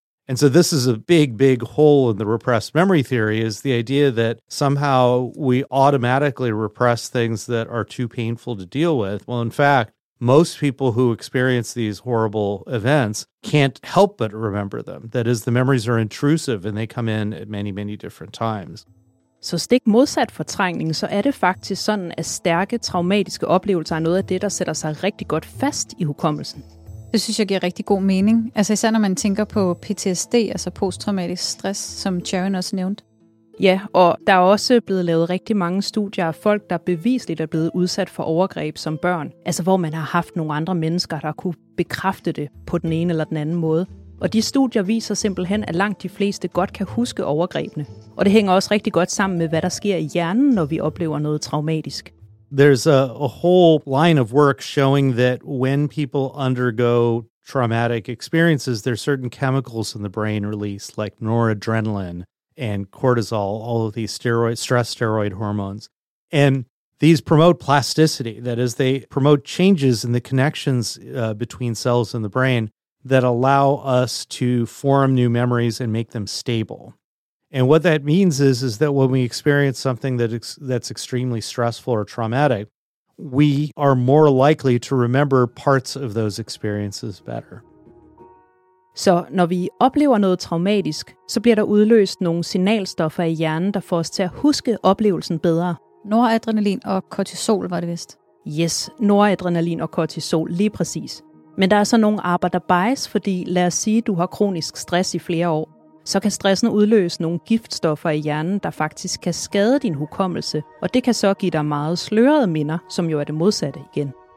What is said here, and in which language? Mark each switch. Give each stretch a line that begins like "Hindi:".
English: And so this is a big, big hole in the repressed memory theory, is the idea that somehow we automatically repress things that are too painful to deal with. Well, in fact, most people who experience these horrible events can't help but remember them. That is, the memories are intrusive and they come in at many, many different times.
Danish: Så stik modsat fortrængning, så er det faktisk sådan, at stærke traumatiske oplevelser er noget af det, der sætter sig rigtig godt fast i hukommelsen. Det synes jeg giver rigtig god mening. Altså især når man tænker på PTSD, altså posttraumatisk stress, som Sharon også nævnte. Ja, og der er også blevet lavet rigtig mange studier af folk, der bevisligt er blevet udsat for overgreb som børn. Altså hvor man har haft nogle andre mennesker, der kunne bekræfte det på den ene eller den anden måde. Og de studier viser simpelthen, at langt de fleste godt kan huske overgrebene. Og det hænger også rigtig godt sammen med, hvad der sker i hjernen, når vi oplever noget traumatisk.
English: There's a whole line of work showing that when people undergo traumatic experiences, there's certain chemicals in the brain released, like noradrenaline and cortisol, all of these stress steroid hormones. And these promote plasticity, that is, they promote changes in the connections between cells in the brain that allow us to form new memories and make them stable. And what that means is that when we experience something that's extremely stressful or traumatic, we are more likely to remember parts of those experiences better.
Danish: Så når vi oplever noget traumatisk, så bliver der udløst nogle signalstoffer i hjernen, der får os til at huske oplevelsen bedre. Noradrenalin og kortisol, var det vist? Yes, noradrenalin og kortisol, lige præcis. Men der er så nogle arbejder bias, fordi lad os sige, at du har kronisk stress i flere år, så kan stressen udløse nogle giftstoffer i hjernen, der faktisk kan skade din hukommelse, og det kan så give dig meget slørede minder, som jo er det modsatte igen.